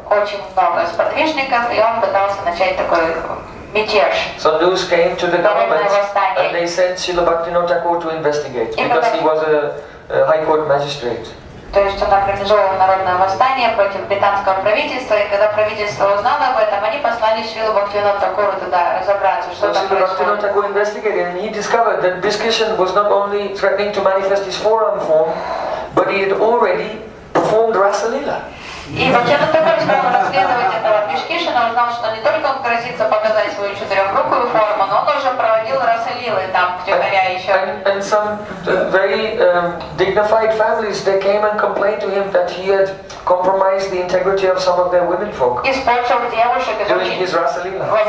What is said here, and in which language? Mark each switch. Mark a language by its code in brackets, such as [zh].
[ru] Очень много сподвижников, и он пытался начать такой мятеж. [en] So news came to the government, and they sent Srila Bhaktivinoda Thakur to investigate, because he was a high court magistrate. [ru] То есть он организовал народное восстание против британского правительства, и когда правительство узнало об этом, они послали Шрилу Бхактивинода Такуру туда разобраться, что там происходит. [en] Шрила Бхактивинода Такуру investigated, and he discovered that Bhishkishan was not only threatening to manifest his forearm form, but he had already performed Rasalila. [ru] И Бхактивинода Такуру стал расследовать этого Бхишкишана, узнал, что не только он грозится показать свою четырехрукую форму, но он уже проводил Расалилы там, в тюкаря еще. [en] And some very dignified families, they came and complained to him that he had compromised the integrity of some of their women folk during his Rasalila.